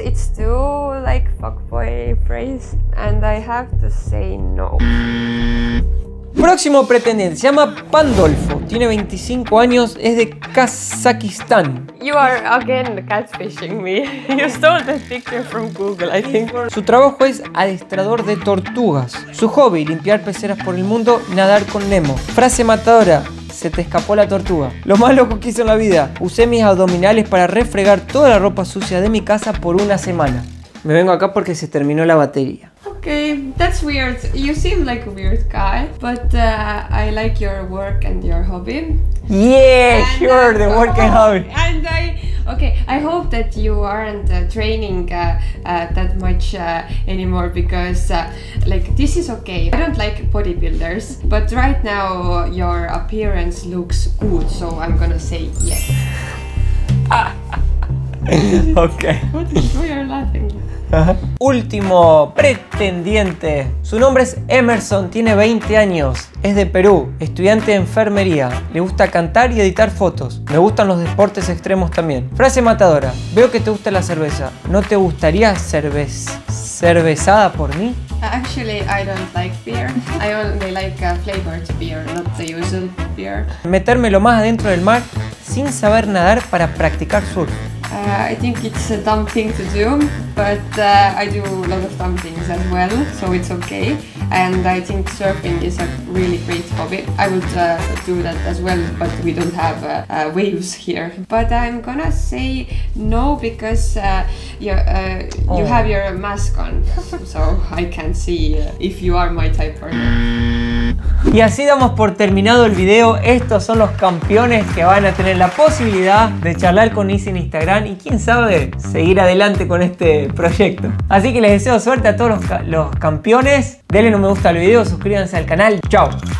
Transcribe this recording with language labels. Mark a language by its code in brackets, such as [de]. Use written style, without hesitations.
[en] It's too like fuckboy phrase. And I have to say no. [es] Próximo pretendiente, se llama Pandolfo, tiene 25 años, es de Kazajistán. [en] You are again catfishing me. You stole the picture from Google, I think. [es] Su trabajo es adiestrador de tortugas. Su hobby, limpiar peceras por el mundo, nadar con Nemo. Frase matadora, se te escapó la tortuga. Lo más loco que hice en la vida, usé mis abdominales para refregar toda la ropa sucia de mi casa por una semana. Me vengo acá porque se terminó la batería. [en] Okay, that's weird. You seem like a weird guy, but I like your work and your hobby. Yeah, and sure, the work and hobby. And I hope that you aren't training that much anymore because, like, this is okay. I don't like bodybuilders, but right now your appearance looks good, so I'm gonna say yes. Okay. What is why you're laughing? [es] Uh-huh. Último pretendiente. Su nombre es Emerson, tiene 20 años. Es de Perú, estudiante de enfermería. Le gusta cantar y editar fotos. Me gustan los deportes extremos también. Frase matadora. Veo que te gusta la cerveza. ¿No te gustaría cervezada por mí? [en] Actually, I don't like beer. I only like flavored beer, not the usual beer. [es] Metérmelo más adentro del mar sin saber nadar para practicar surf. [en] I think it's a dumb thing to do, but I do a lot of dumb things as well, so it's okay. And I think surfing is a really great hobby. I would do that as well, but we don't have waves here. But I'm gonna say no because you have your mask on, so I can't see if you are my type or not. [es] Y así damos por terminado el video. Estos son los campeones que van a tener la posibilidad de charlar con Izzy en Instagram y quién sabe seguir adelante con este proyecto. Así que les deseo suerte a todos los campeones. Denle un me gusta al video, suscríbanse al canal. Chao.